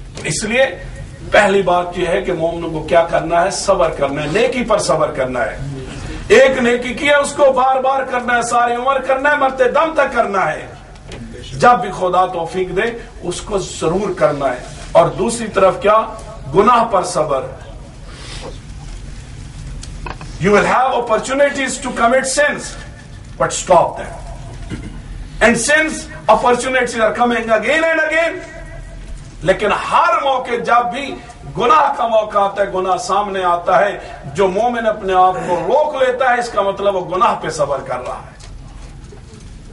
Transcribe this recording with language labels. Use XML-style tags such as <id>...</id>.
<ur>اس لیے پہلی بات یہ ہے کہ مومنوں کو کیا کرنا ہے؟ صبر کرنا ہے, نیکی پر صبر کرنا ہے. ایک نیکی کی ہے اس کو بار بار کرنا ہے, ساری عمر کرنا ہے, مرتے دم تک کرنا ہے. جب بھی خدا توفیق دے اس کو ضرور کرنا ہے. اور دوسری طرف کیا؟ گناہ پر صبر.</ur> <en>You will have opportunities to commit sins, but stop them. And since opportunities are coming again and again,</en> <ur>لیکن ہر موقع جب بھی گناہ کا موقع آتا ہے, گناہ سامنے آتا ہے, جو مومن اپنے آپ کو روک لیتا ہے اس کا مطلب وہ گناہ پہ صبر کر رہا ہے.</ur>